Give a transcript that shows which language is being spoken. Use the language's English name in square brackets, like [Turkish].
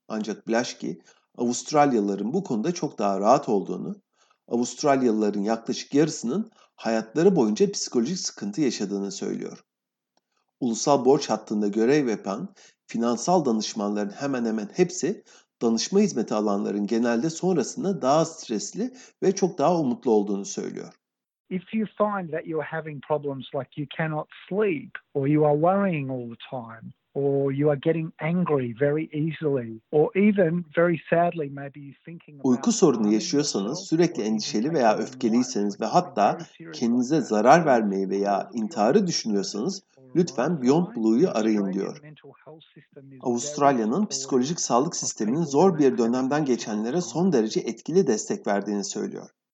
[Turkish] Ancak Blaschke, Avustralyalıların bu konuda çok daha rahat olduğunu, Avustralyalıların yaklaşık yarısının hayatları boyunca psikolojik sıkıntı yaşadığını söylüyor. Ulusal borç hattında görev yapan finansal danışmanların hemen hemen hepsi danışma hizmeti alanların genelde sonrasında daha stresli ve çok daha umutlu olduğunu söylüyor. [English] If you find that you're having problems like you cannot sleep or you are worrying all the time, or you are getting angry very easily, or even very sadly maybe you're thinking about [Turkish] uyku sorunu yaşıyorsanız, sürekli endişeli veya öfkeliyseniz ve hatta kendinize zarar vermeyi veya intiharı düşünüyorsanız, lütfen Beyond Blue'yu arayın diyor. Avustralya'nın psikolojik sağlık sisteminin zor bir dönemden geçenlere son derece etkili destek verdiğini söylüyor.